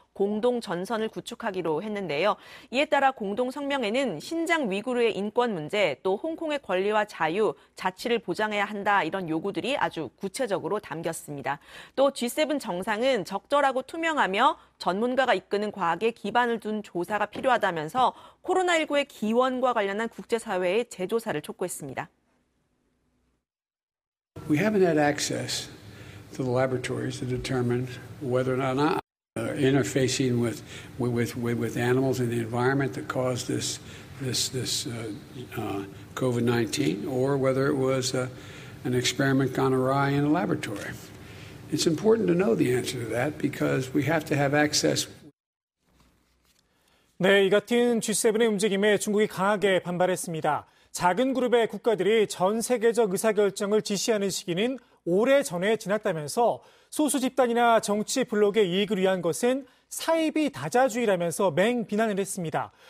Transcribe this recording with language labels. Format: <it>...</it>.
<ko>공동 전선을 구축하기로 했는데요. 이에 따라 공동 성명에는 신장 위구르의 인권 문제, 또 홍콩의 권리와 자유, 자치를 보장해야 한다 이런 요구들이 아주 구체적으로 담겼습니다. 또 G7 정상은 적절하고 투명하며 전문가가 이끄는 과학에 기반을 둔 조사가 필요하다면서 코로나19의 기원과 관련한 국제사회의 재조사를 촉구했습니다.</ko> <en>We haven't had access to the laboratories to determine whether or not interfacing with animals in the environment that caused this COVID-19 or whether it was an experiment gone awry in a laboratory. It's important to know the answer to that because we have to have access.</en> <ko>네, 이 같은 G7의 움직임에 중국이 강하게 반발했습니다. 작은 그룹의 국가들이 전 세계적 의사결정을 지시하는 시기는 오래 전에 지났다면서 소수 집단이나 정치 블록의 이익을 위한 것은 사이비 다자주의라면서 맹비난을 했습니다.</ko>